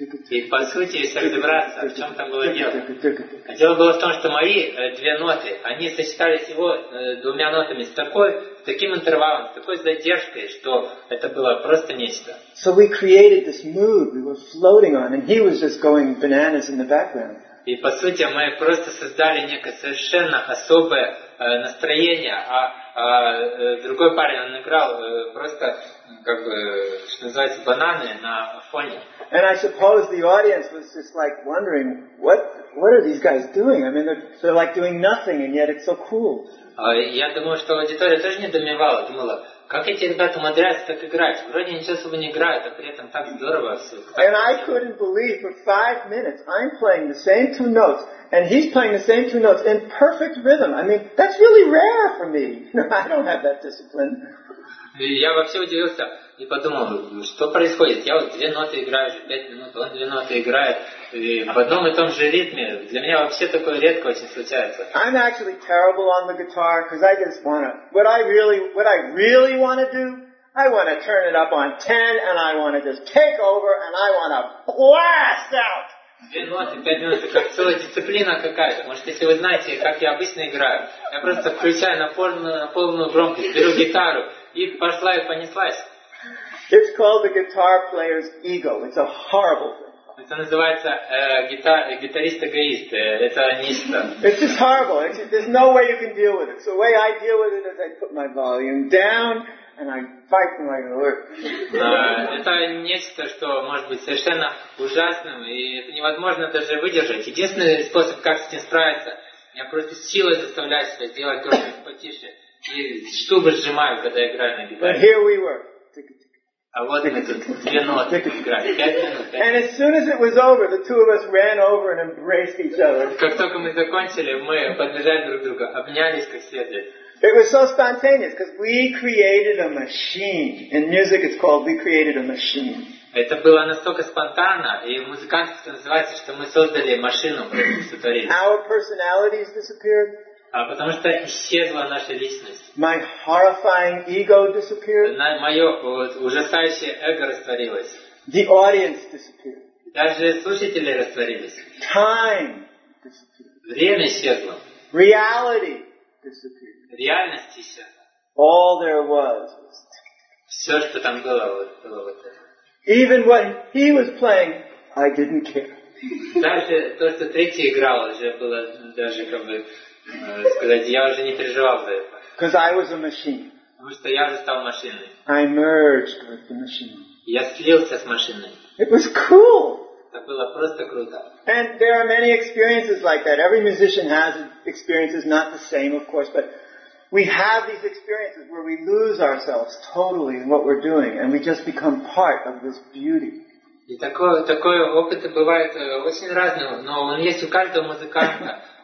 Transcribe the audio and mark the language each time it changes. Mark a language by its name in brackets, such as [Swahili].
[Russian] И по сути, если разобраться, в чем там было дело. А дело было в том, что мои две ноты, они сочетались всего двумя нотами с таким интервалом, с такой задержкой, что это было просто нечто. [English] So we created this mood we were floating on, and he was just going bananas in the background. [Russian] И по сути, мы просто создали некое совершенно особое настроение, другой парень, он играл просто, как бы, что называется, бананы на фоне. [English] And I suppose the audience was just like wondering, what are these guys doing? I mean, they're like doing nothing, and yet it's so cool. [Russian] Я думаю, что аудитория тоже недоумевала, думала, как эти ребята умудряются так играть? Вроде ничего особо не играют, а при этом так здорово все. [English] And I couldn't believe for 5 minutes I'm playing the same two notes, and he's playing the same two notes in perfect rhythm. I mean, that's really rare for me. I don't have that discipline. [Russian] Я вообще удивился. И подумал, что происходит? Я вот две ноты играю уже 5 минут, он две ноты играет в одном и том же ритме. Для меня вообще такое редко очень случается. [English] I'm actually terrible on the guitar because I just wanna. What I really wanna do? I wanna turn it up on 10 and I wanna just take over and I wanna blast out. [Russian] Две ноты, 5 минут, как целая дисциплина какая-то. Может, если вы знаете, как я обычно играю, я просто включаю на полную громкость, беру гитару и пошла и понеслась. [English] It's called the guitar player's ego. It's a horrible thing. [Russian] Это называется гитарист-эгоист. Это нечто. [English] It's just horrible. It's just, there's no way you can deal with it. So the way I deal with it is I put my volume down and I fight for my work. [Russian] Это нечто, что может быть совершенно ужасным, и это невозможно даже выдержать. Единственный способ, как с этим справиться, я просто силой заставляю себя сделать громче, потише, и зубы сжимаю, когда играю на гитаре. [English] But here we were. And as soon as it was over, the two of us ran over and embraced each other. [Russian] Как только мы закончили, мы поддержали друг друга, обнялись как следует. [English] It was so spontaneous because we created a machine. In music, it's called we created a machine. [Russian] Это было настолько спонтанно, и в музыканте это называется, что мы создали машину. [English] Our personalities disappeared. [Russian] А потому что исчезла наша личность. [English] My horrifying ego disappeared. [Russian] Мое ужасающее эго растворилось. [English] The audience disappeared. [Russian] Даже слушатели растворились. [English] Time disappeared. [Russian] Время исчезло. [English] Reality disappeared. [Russian] Реальность исчезла. [English] All there was. [Russian] Все, что там было вот это. [English] Even when he was playing, I didn't care. [Russian] Даже то, что третий играл, уже было даже как бы. Сказать, я уже не переживал за это. [English] Because I was a machine. [Russian] Потому что я уже стал машиной. [English] I merged with the machine. [Russian] Я слился с машиной. [English] It was cool. [Russian] Это было просто круто. [English] And there are many experiences like that. Every musician has experiences, not the same, of course, but we have these experiences where we lose ourselves totally in what we're doing, and we just become part of this beauty. [Russian] И такой опыт бывает очень разным, но он есть у каждого музыканта.